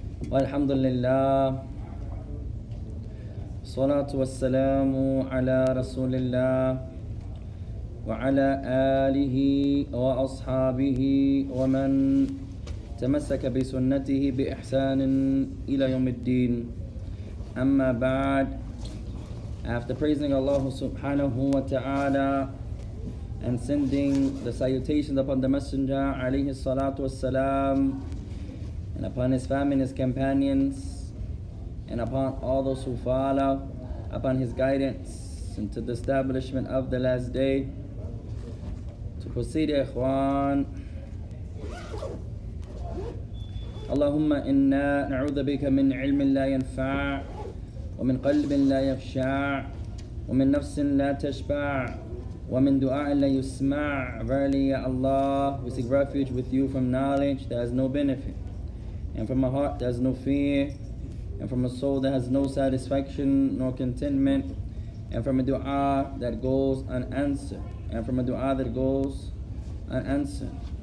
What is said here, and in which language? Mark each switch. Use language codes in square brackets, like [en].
[ar] والحمد لله والصلاة والسلام على رسول الله وعلى آله وأصحابه ومن تمسك بسنته بإحسان إلى يوم الدين. أما بعد, [en] after praising Allah subhanahu wa ta'ala and sending the salutations upon the Messenger alayhi salatu wassalam and upon his family and his companions and upon all those who follow, upon his guidance into the establishment of the last day, to proceed, ya ikhwan. [ar] اللهم إنا نعوذ بك من علم لا ينفع ومن قلب لا يخشع ومن نفس لا تشبع ومن دعاء لا يسمع. [en] Verily, Ya Allah, we seek refuge with you from knowledge that has no benefit, and from a heart that has no fear, and from a soul that has no satisfaction nor contentment, and from a dua that goes unanswered, and from a dua that goes unanswered.